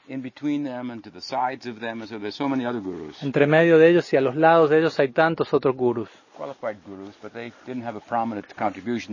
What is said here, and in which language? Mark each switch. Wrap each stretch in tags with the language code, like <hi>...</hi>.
<en>In between them and to the sides of them, so there's so many other gurus.</en> <es>Entre medio de ellos y a los lados de ellos hay tantos otros gurus.</es> <en>Qualified gurus, but they didn't have a prominent contribution.</en>